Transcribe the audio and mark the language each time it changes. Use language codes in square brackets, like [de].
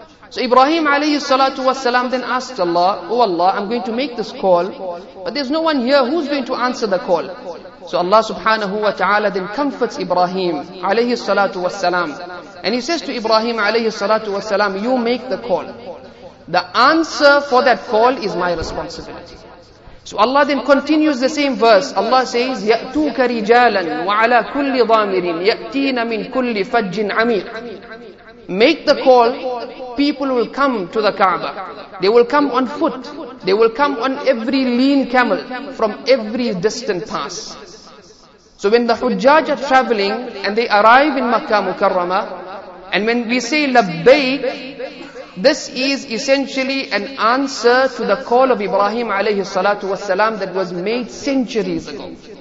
[en] So Ibrahim alayhi salatu wasalam then asked Allah, O Allah, I'm going to make this call, but there's no one here, who's going to answer the call? So Allah subhanahu wa ta'ala then comforts Ibrahim alayhi salatu wasalam. And he says to Ibrahim alayhi salatu wasalam, you make the call. The answer for that call is my responsibility. So Allah then continues the same verse. Allah says, [ar] يَأْتُوكَ رِجَالًا وَعَلَى كُلِّ ضَامِرٍ يَأْتِينَ مِنْ كُلِّ فَجٍ عَمِيرٍ. [en] Make the call, people will come to the Kaaba. They will come on foot. They will come on every lean camel from every distant pass. So when the Hujjaj are traveling and they arrive in Makkah Mukarrama, and when we say Labbaik, this is essentially an answer to the call of Ibrahim alayhi salatu wasalam that was made centuries ago.